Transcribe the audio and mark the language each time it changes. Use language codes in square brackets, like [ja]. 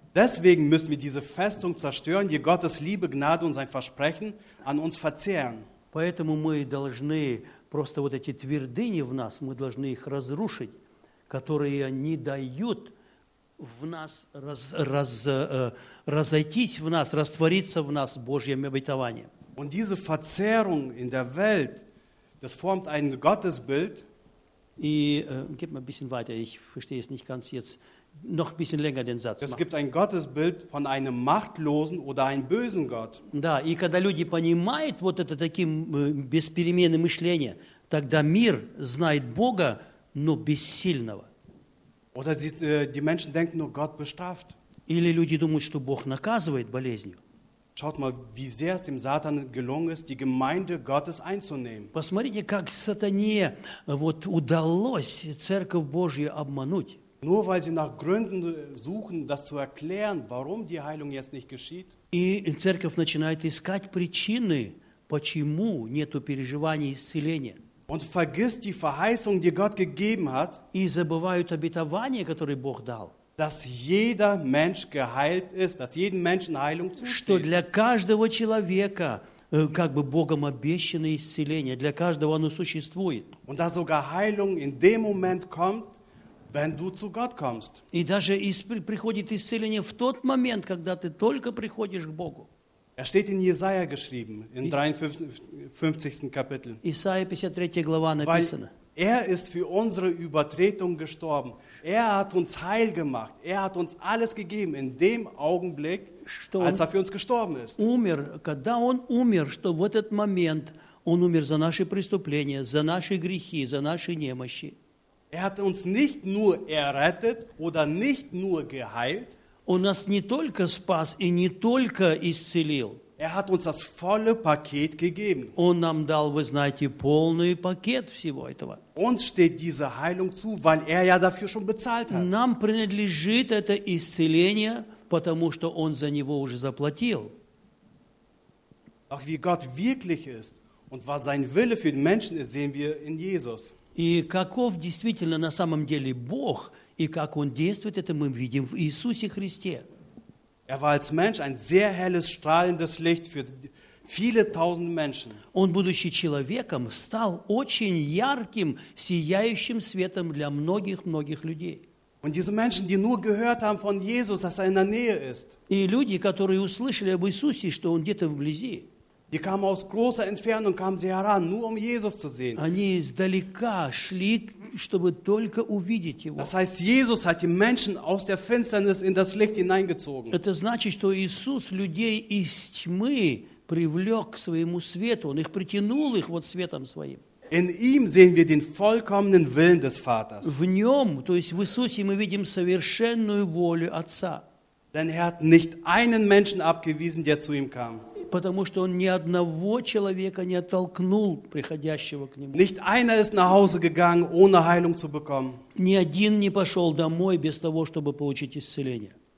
[de] Deswegen müssen wir diese Festung zerstören, die Gottes Liebe, Gnade und sein Versprechen an uns verzehren. [ru] Поэтому мы должны просто вот эти твердыни в нас, мы должны их разрушить, которые не дают в нас разойтись в нас, раствориться в нас Божьим обетованием. [de] Und diese Verzerrung in der Welt, das formt ein Gottesbild. [ru] И [de] gib mal ein bisschen weiter, ich verstehe es nicht ganz jetzt. Noch ein bisschen länger den Satz. Es gibt ein Gottesbild von einem machtlosen oder einem bösen Gott. [ru] Да, и когда люди понимают вот это таким без перемены мышления, тогда мир знает Бога, но бессильного. [de] Oder die Menschen denken nur, Gott bestraft. [ru] Или люди думают, что Бог наказывает болезнью. [de] Schaut mal, wie sehr es dem Satan gelungen ist, die Gemeinde Gottes einzunehmen. [ru] Посмотрите, как сатане вот удалось церковь Божью обмануть. [de] Nur weil sie nach Gründen suchen, das zu erklären, warum die Heilung jetzt nicht geschieht. [ru] И церковь начинает искать причины, почему нету переживания исцеления. [de] Und vergisst die Verheißung, die Gott gegeben hat. [ru] И забывают обетование, которое Бог дал. [de] Dass jeder Mensch geheilt ist, dass jedem Menschen Heilung zusteht. [ru] Что для каждого человека как бы Богом обещанное исцеление, для каждого оно существует. [de] Und dass sogar Heilung in dem Moment kommt, wenn du zu Gott kommst. [ru] И даже приходит исцеление в тот момент, когда ты только приходишь к Богу. [de] Er steht in Jesaja geschrieben, in 53. Kapitel. [ru] Исаия 53 глава написано. [de] Er ist für unsere Übertretung gestorben. Er hat uns heil gemacht. Er hat uns alles gegeben in dem Augenblick, als er für uns gestorben ist. [ru] Умер, когда он умер, что в этот момент он умер за наши преступления, за наши грехи, за наши немощи. [de] Er hat uns nicht nur errettet oder nicht nur geheilt. [ru] Он нас не только спас и не только исцелил. [de] Er hat uns das volle Paket gegeben. [ru] Он нам дал, вы знаете, полный пакет всего этого. [de] Uns steht diese Heilung zu, weil er ja dafür schon bezahlt hat. [ru] Нам принадлежит это исцеление, потому что он за него уже заплатил. [de] Ach, wie Gott wirklich ist und was sein Wille für den Menschen ist, sehen wir in Jesus. [ru] И каков действительно на самом деле Бог, и как Он действует, это мы видим в Иисусе Христе. [de] Er war als Mensch ein sehr helles, strahlendes Licht für viele tausende Menschen. [ru] Он, будучи человеком, стал очень ярким, сияющим светом для многих-многих людей. [de] Und diese Menschen, die nur gehört haben von Jesus, dass er in der Nähe ist. [ru] И люди, которые услышали об Иисусе, что Он где-то вблизи. [de] Die kamen aus großer Entfernung, kamen sie heran, nur um Jesus zu sehen. [ru] Они издалека шли, чтобы только увидеть его. [de] Das heißt, Jesus hat die Menschen aus der Finsternis in das Licht hineingezogen. [ru] Это значит, что Иисус людей из тьмы привлек к своему свету, он их притянул их вот светом своим. [de] In ihm sehen wir den vollkommenen Willen des Vaters. [ru] В нем, то есть в Иисусе, мы видим совершенную волю Отца. [de] Denn er hat nicht einen Menschen abgewiesen, der zu ihm kam. [ru] Потому что он ни одного человека не оттолкнул приходящего к нему. [de] Nicht einer ist nach Hause gegangen, ohne Heilung zu bekommen. [ru] Ни один не пошел домой без того, чтобы получить исцеление.